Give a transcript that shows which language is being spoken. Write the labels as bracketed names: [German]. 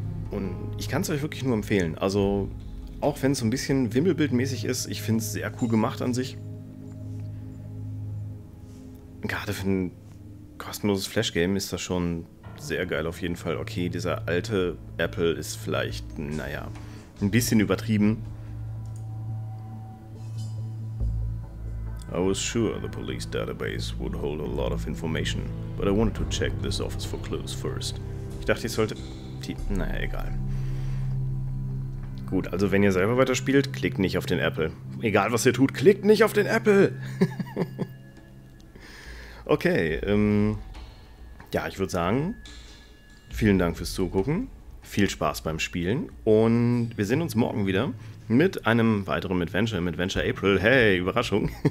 [German] Und ich kann es euch wirklich nur empfehlen. Also, auch wenn es so ein bisschen wimmelbildmäßig ist, ich finde es sehr cool gemacht an sich. Gerade für ein kostenloses Flash-Game ist das schon sehr geil auf jeden Fall. Okay, dieser alte Apple ist vielleicht, naja, ein bisschen übertrieben. [English] I was sure the police database would hold a lot of information, but I wanted to check this office for clues first. [German] Ich dachte, ich sollte... Naja, egal. Gut, also wenn ihr selber weiterspielt, klickt nicht auf den Apple. Egal, was ihr tut, klickt nicht auf den Apple! Okay, ja, ich würde sagen, vielen Dank fürs Zugucken, viel Spaß beim Spielen und wir sehen uns morgen wieder mit einem weiteren Adventure, mit Adventure April. Hey, Überraschung!